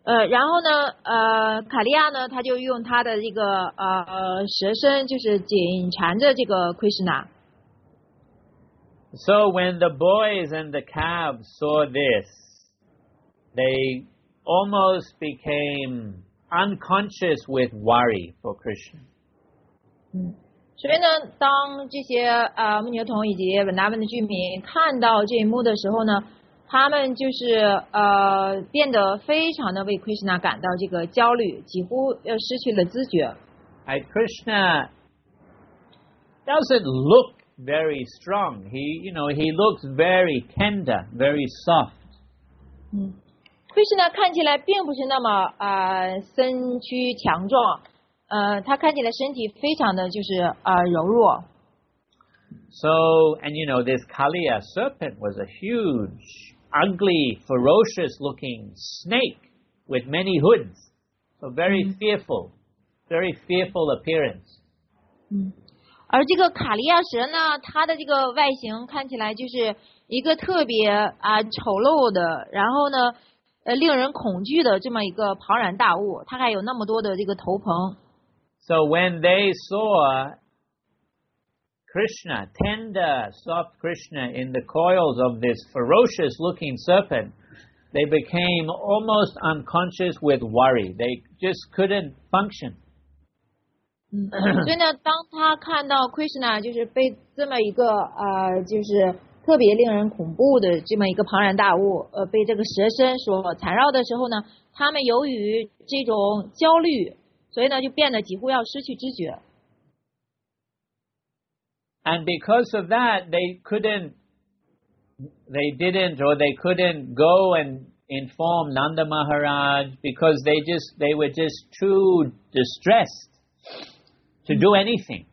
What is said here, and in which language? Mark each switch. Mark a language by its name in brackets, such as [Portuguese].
[Chinese] 然后呢，卡利亚呢，他就用他的这个蛇身，就是紧缠着这个 Krishna。 [English] So when the boys and the calves saw this, they almost became unconscious with worry for Krishna. [Chinese] 所以呢，当这些牧牛童以及文达文的居民看到这一幕的时候呢，他们就是变得非常的为 Krishna 感到这个焦虑，几乎要失去了知觉。 [English] Krishna doesn't look very strong. He looks very tender, very soft. [Chinese] Krishna 看起来并不是那么身躯强壮。他看起来身体非常的就是柔弱。 [English] So, and you know, this Kaliya serpent was a huge, ugly, ferocious-looking snake with many hoods. So very fearful, very fearful appearance. [Chinese] 而这个卡利亚蛇呢，它的这个外形看起来就是一个特别丑陋的，然后呢，令人恐惧的这么一个庞然大物。它还有那么多的这个头棚。 [English] So when they saw Krishna, tender, soft Krishna, in the coils of this ferocious-looking serpent, they became almost unconscious with worry. They just couldn't function. [Chinese] 所以呢，当他看到 Krishna 就是被这么一个就是特别令人恐怖的这么一个庞然大物，被这个蛇身所缠绕的时候呢，他们由于这种焦虑。所以呢，就变得几乎要失去知觉。 [English] And because of that, they couldn't go and inform Nanda Maharaj because they were just too distressed to do anything.